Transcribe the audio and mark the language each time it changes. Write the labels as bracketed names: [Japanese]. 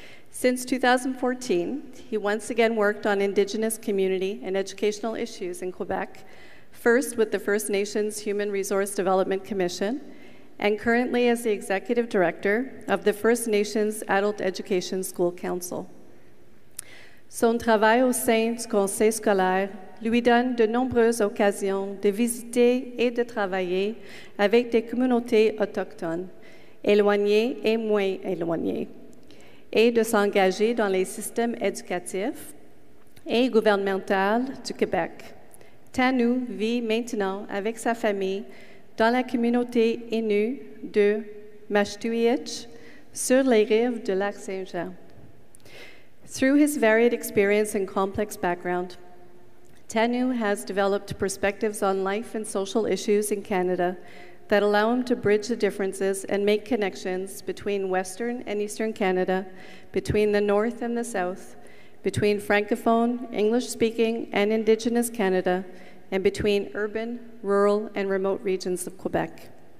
[English] Since 2014, he once again worked on Indigenous community and educational issues in Quebec, first with the First Nations Human Resource Development Commission, and currently as the executive director of the First Nations Adult Education School Council. [French] Son travail au sein du conseil scolaire lui donne de nombreuses occasions de visiter et de travailler avec des communautés autochtones, éloignées et moins éloignées, et de s'engager dans les systèmes éducatifs et gouvernementaux du Québec. Tanu vit maintenant avec sa famille dans la communauté Innue de Mashtuiitch sur les rives du lac Saint-Jean. [English] Through his varied experience and complex background, Tanu has developed perspectives on life and social issues in Canada that allow him to bridge the differences and make connections between Western and Eastern Canada, between the North and the South, between Francophone, English-speaking, and Indigenous Canada, and between urban, rural, and remote regions of Quebec.